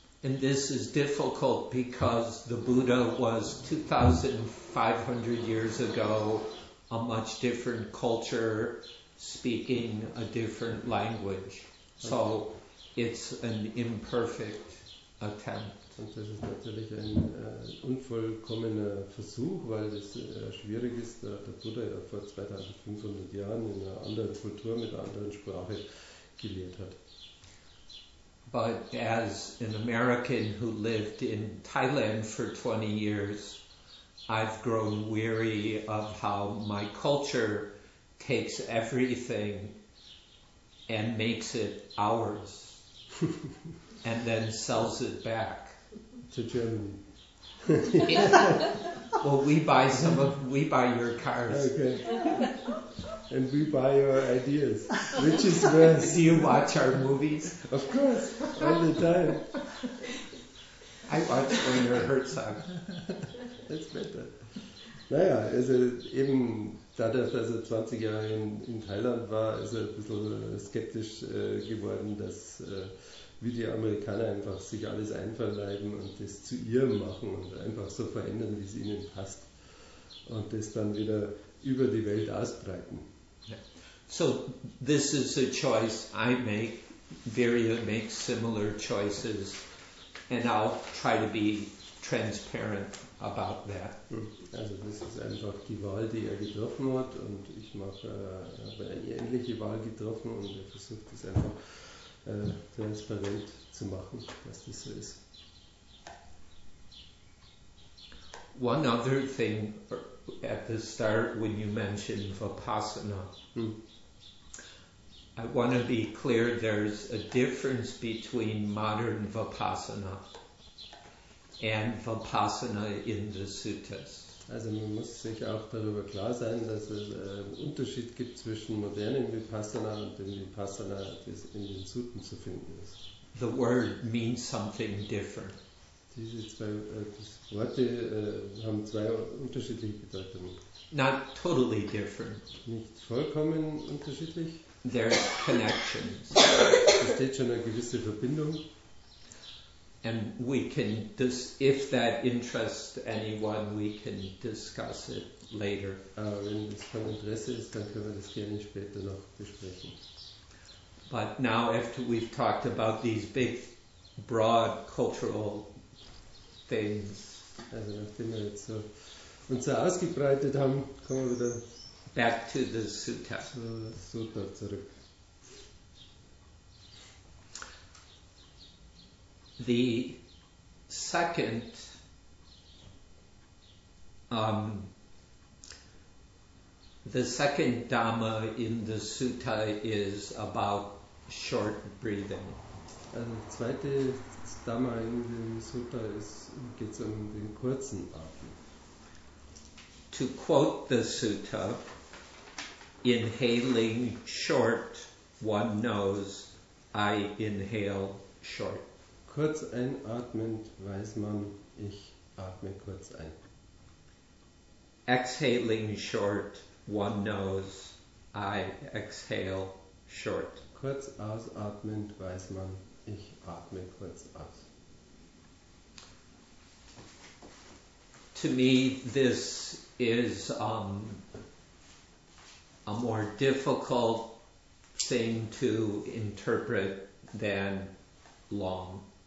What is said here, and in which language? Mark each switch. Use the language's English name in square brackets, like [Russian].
[English] And this is difficult because the Buddha was 2,500 years ago, a much different culture, speaking a different language. So it's an imperfect attempt. [German] Und das ist natürlich ein unvollkommener Versuch, weil es schwierig ist, der Buddha ja vor 2500 Jahren in einer anderen Kultur mit einer anderen Sprache gelehrt hat. [English] But as an American who lived in Thailand for 20 years, I've grown weary of how my culture takes everything and makes it ours and then sells it back. To Germany. Well, we buy your cars. Okay. And we buy your ideas. Which is worse? Do you watch our movies? Of course, all the time. I watch Werner Herzog. That's better. [German] Naja, also eben dadurch, dass er 20 Jahre in Thailand war, ist er ein bisschen skeptisch geworden, dass wie die Amerikaner einfach sich alles einverleiben und das zu ihrem machen und einfach so verändern, wie es ihnen passt und das dann wieder über die Welt ausbreiten. [English] Yeah. So, this is a choice I make. Viria makes similar choices and I'll try to be transparent about that. [German] Also, das ist einfach die Wahl, die er getroffen hat und ich mache habe eine ähnliche Wahl getroffen und er versucht das einfach transparent zu machen, dass das so ist. [English] One other thing at the start when you mentioned Vipassana, I want to be clear, there's a difference between modern Vipassana and Vipassana in the suttas. [German] Also man muss sich auch darüber klar sein, dass es einen Unterschied gibt zwischen modernen Vipassana und dem Vipassana, das in den Sutten zu finden ist. [English] The word means something different. [German] Diese zwei Worte haben zwei unterschiedliche Bedeutungen. [English] Not totally different. [German] Nicht vollkommen unterschiedlich. [English] There are connections. [German] Da steht schon eine gewisse Verbindung. [English] And we can, if that interests anyone, we can discuss it later. [German] Wenn das von Interesse ist, dann können wir das gerne später noch besprechen. [English] But now, after we've talked about these big, broad cultural things, [German] also nachdem wir jetzt so uns so ausgebreitet haben, kommen wir wieder [English] back to the sutta. [German] Sutta zurück. [English] The second Dhamma in the Sutta is about short breathing. [German] Also zweite Dhamma in dem Sutta geht um den kurzen Atem. [English] To quote the Sutta, inhaling short, one knows I inhale short. [German] Kurz einatmend weiß man, ich atme kurz ein. [English] Exhaling short, one knows, I exhale short. [German] Kurz ausatmend weiß man, ich atme kurz aus. [English] To me, this is a more difficult thing to interpret than long.